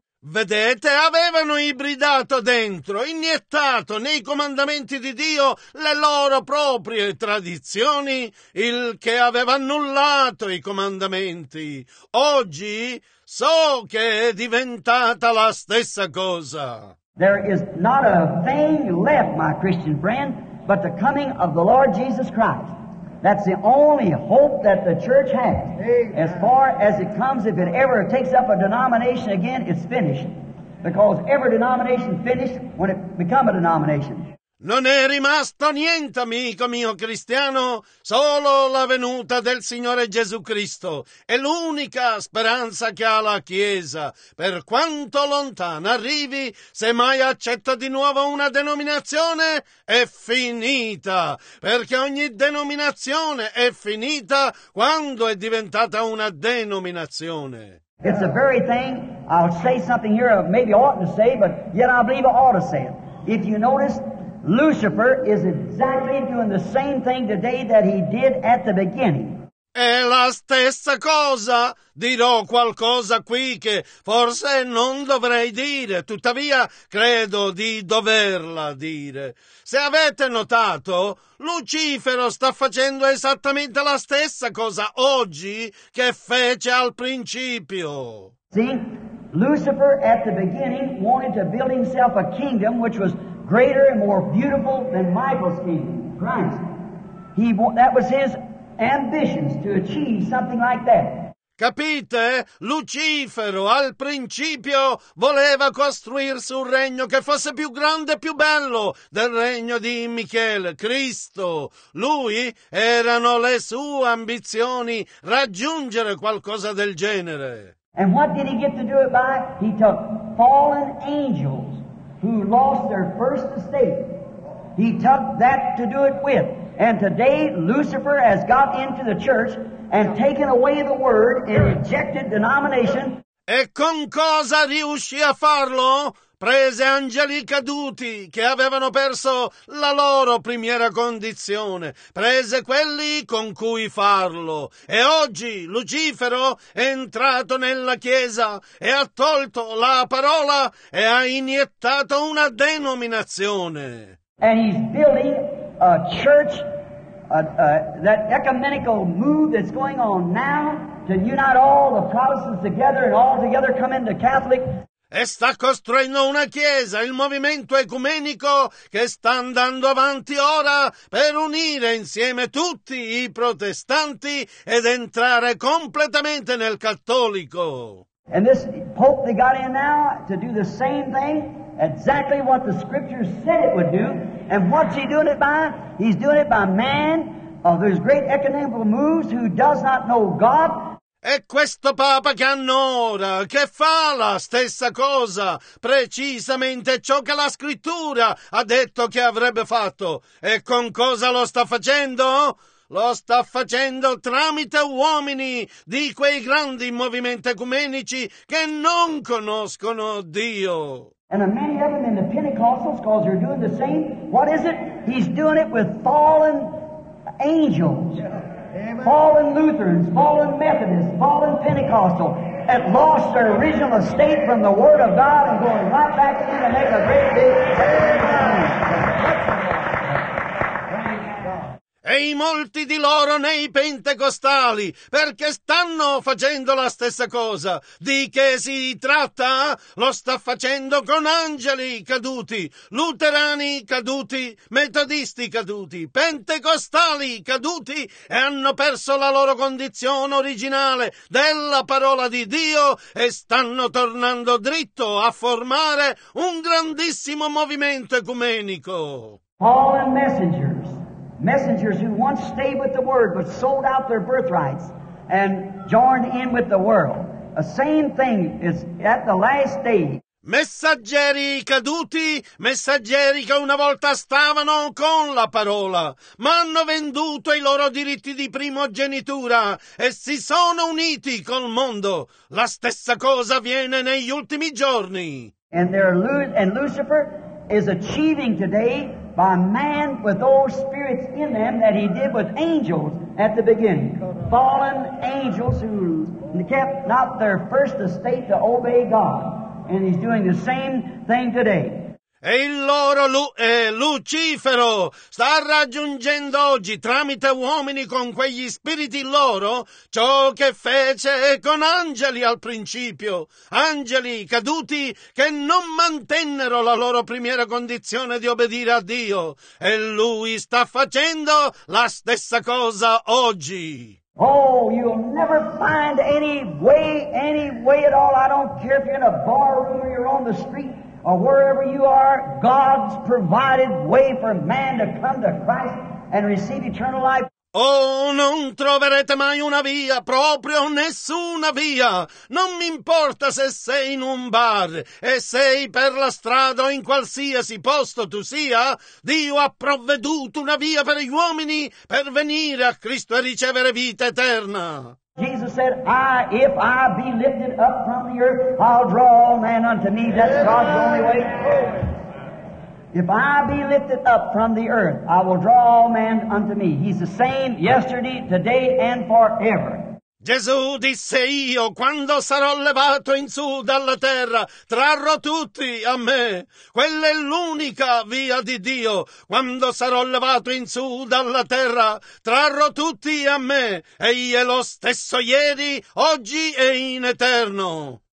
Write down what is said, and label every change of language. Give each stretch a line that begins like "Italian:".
Italian: Vedete, avevano ibridato dentro, iniettato nei comandamenti di Dio le loro proprie tradizioni, il che aveva annullato i comandamenti. Oggi so che è diventata la stessa cosa.
English: There is not a thing left, my Christian friend, but the coming of the Lord Jesus Christ. That's the only hope that the church has. As far as it comes, if it ever takes up a denomination again, it's finished. Because every denomination finished when it become a denomination.
Italian: Non è rimasto niente, amico mio cristiano, solo la venuta del Signore Gesù Cristo. È l'unica speranza che ha la Chiesa. Per quanto lontana arrivi, se mai accetta di nuovo una denominazione, è finita. Perché ogni denominazione è finita quando è diventata una denominazione.
English: It's the very thing, I'll say something here, maybe I oughtn't to say, but yet I believe I ought to say it. If you notice, Lucifer is exactly doing the same thing today that he did at the beginning.
Italian: È la stessa cosa. Dirò qualcosa qui che forse non dovrei dire, tuttavia credo di doverla dire. Se avete notato, Lucifero sta facendo esattamente la stessa cosa oggi che fece al principio.
English: See, Lucifer at the beginning wanted to build himself a kingdom which was greater and more beautiful than Michael's kingdom, Christ. That was his ambitions, to achieve something like that.
Italian: Capite? Lucifero al principio voleva costruirsi un regno che fosse più grande e più bello del regno di Michele, Cristo. Lui erano le sue ambizioni raggiungere qualcosa del genere.
English: And what did he get to do it by? He took fallen angels who lost their first estate. He took that to do it with. And today, Lucifer has got into the church and taken away the word and rejected denomination.
Italian: E con cosa riuscì a farlo? Prese angeli caduti che avevano perso la loro primiera condizione, prese quelli con cui farlo. E oggi Lucifero è entrato nella chiesa e ha tolto la parola e ha iniettato una denominazione.
English: And he's building a church, that ecumenical move that's going on now to unite all the Protestants together and all together come into Catholic.
Italian: E sta costruendo una chiesa, il movimento ecumenico, che sta andando avanti ora per unire insieme tutti i protestanti ed entrare completamente nel cattolico.
English: And this Pope they got in now to do the same thing, exactly what the scriptures said it would do. And what's he doing it by? He's doing it by man of those great economical moves who does not know God.
Italian: E questo Papa che hanno ora, che fa la stessa cosa, precisamente ciò che la scrittura ha detto che avrebbe fatto. E con cosa lo sta facendo? Lo sta facendo tramite uomini di quei grandi movimenti ecumenici che non conoscono Dio.
English: And a many of them in the Pentecostals, because they're doing the same. What is it? He's doing it with fallen angels. Amen. Fallen Lutherans, fallen Methodists, fallen Pentecostals that lost their original estate from the Word of God and going right back in to make a great big change.
Italian: E i molti di loro nei pentecostali, perché stanno facendo la stessa cosa. Di che si tratta? Lo sta facendo con angeli caduti, luterani caduti, metodisti caduti, pentecostali caduti, e hanno perso la loro condizione originale della parola di Dio e stanno tornando dritto a formare un grandissimo movimento ecumenico.
English: Fallen messengers. Messengers who once stayed with the Word but sold out their birthrights and joined in with the world. The same thing is at the last day.
Italian: Messaggeri caduti, messaggeri che una volta stavano con la parola, ma hanno venduto i loro diritti di primogenitura e si sono uniti col mondo. La stessa cosa avviene negli ultimi giorni.
English: And Lucifer is achieving today by man with those spirits in them that he did with angels at the beginning. Fallen angels who kept not their first estate to obey God. And he's doing the same thing today.
Italian: E il loro Lucifero sta raggiungendo oggi tramite uomini con quegli spiriti loro ciò che fece con angeli al principio, angeli caduti che non mantennero la loro primiera condizione di obbedire a Dio, e lui sta facendo la stessa cosa oggi.
English: Oh, you'll never find any way at all. I don't care if you're in a bar room or you're on the street. Or wherever you are, God's provided way for man to come to Christ and receive eternal life.
Italian: Oh, non troverete mai una via, proprio nessuna via. Non mi importa se sei in un bar e sei per la strada o in qualsiasi posto tu sia. Dio ha provveduto una via per gli uomini per venire a Cristo e ricevere vita eterna.
English: Jesus said, if I be lifted up from the earth, I'll draw all men unto me. That's God's only way. If I be lifted up from the earth, I will draw all men unto me. He's the same yesterday, today, and forever.
Italian: Gesù disse, io quando sarò levato in su dalla terra, trarrò tutti a me. Quella è l'unica via di Dio. Quando sarò levato in su dalla terra, trarrò tutti a me. Egli è lo stesso ieri, oggi e in eterno.